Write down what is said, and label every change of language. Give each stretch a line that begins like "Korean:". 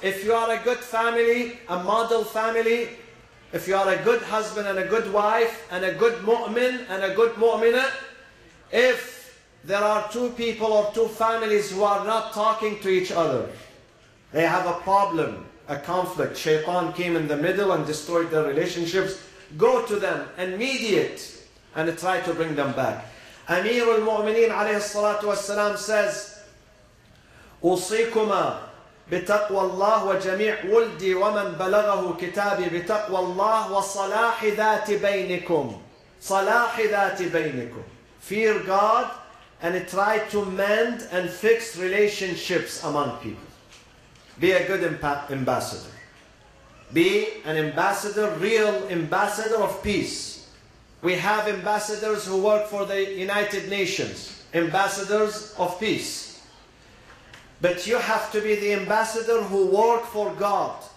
English: If you are a good family, a model family, if you are a good husband and a good wife, and a good mu'min and a good mu'mina, if there are two people or two families who are not talking to each other, they have a problem, a conflict, shaitan came in the middle and destroyed their relationships, go to them and mediate and try to bring them back. Amir al-Mu'mineen alayhi salatu wassalam says,
Arabic: أُصِيكُمَا بِتَقْوَى اللَّهِ وَجَمِيعُ وُلْدِي وَمَنْ بَلَغَهُ كِتَابِي بِتَقْوَى اللَّهِ وَصَلَاحِ ذَاتِ بَيْنِكُمْ صَلَاحِ ذَاتِ بَيْنِكُمْ.
English: Fear God and try to mend and fix relationships among people. Be a good ambassador. Be an ambassador, real ambassador of peace. We have ambassadors who work for the United Nations, ambassadors of peace. But you have to be the ambassador who work for God,